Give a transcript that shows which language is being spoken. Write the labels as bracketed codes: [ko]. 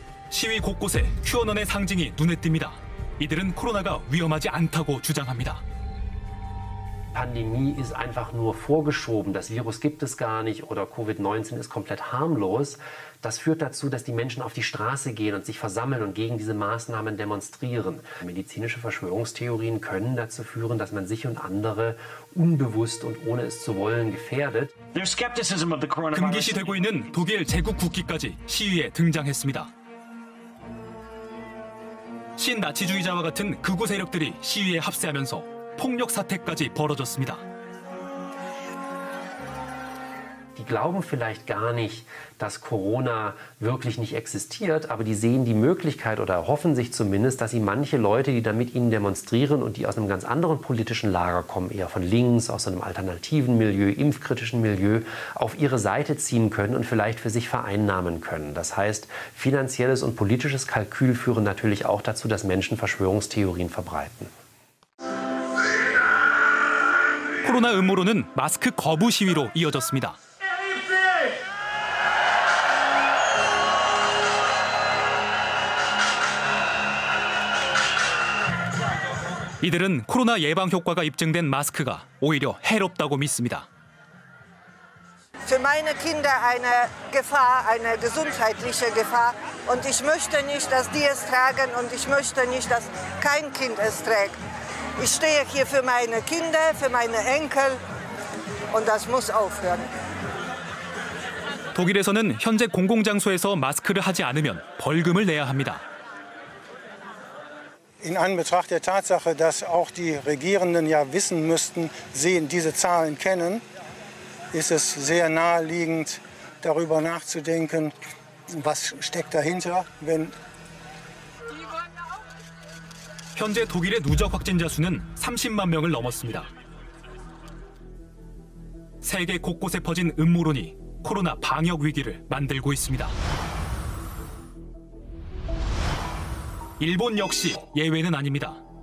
[ko] 시위 곳곳에 QAnon의 상징이 눈에 띕니다. 이들은 코로나가 위험하지 않다고 주장합니다. [de] Pandemie ist einfach nur vorgeschoben. Das Virus gibt es gar nicht oder COVID-19 ist komplett harmlos. Das führt dazu, dass die Menschen auf die Straße gehen und sich versammeln und gegen diese Maßnahmen demonstrieren. Medizinische Verschwörungstheorien können dazu führen, dass man sich und andere unbewusst und ohne es zu wollen gefährdet. [en] There's skepticism of the coronavirus. [ko] 금기시 되고 있는 독일 제국 국기까지 시위에 등장했습니다. 신나치주의자와 같은 극우 세력들이 시위에 합세하면서 폭력 사태까지 벌어졌습니다. [de] Die glauben vielleicht gar nicht, dass Corona wirklich nicht existiert, aber die sehen die Möglichkeit oder hoffen sich zumindest, dass sie manche Leute, die da mit ihnen demonstrieren und die aus einem ganz anderen politischen Lager kommen, eher von links, aus einem alternativen Milieu, impfkritischen Milieu, auf ihre Seite ziehen können und vielleicht für sich vereinnahmen können. Das heißt, finanzielles und politisches Kalkül führen natürlich auch dazu, dass Menschen Verschwörungstheorien verbreiten. [ko] 코로나 음모론은 마스크 거부 시위로 이어졌습니다. 이들은 코로나 예방 효과가 입증된 마스크가 오히려 해롭다고 믿습니다. [de] Für meine Kinder eine Gefahr, eine gesundheitliche Gefahr. Und ich möchte nicht, dass die es tragen und ich möchte nicht, dass kein Kind es trägt. Ich stehe hier für meine Kinder, für meine Enkel und das muss aufhören. [ko] 독일에서는 현재 공공장소에서 마스크를 하지 않으면 벌금을 내야 합니다. [de] In Anbetracht der Tatsache, dass auch die Regierenden ja wissen müssten, sehen diese Zahlen kennen, ist es sehr naheliegend, darüber nachzudenken, was steckt dahinter, wenn [ko] 현재 독일의 누적 확진자 수는 30만 명을 넘었습니다. 세계 곳곳에 퍼진 음모론이 코로나 방역 위기를 만들고 있습니다. 일본 역시 예외는 아닙니다.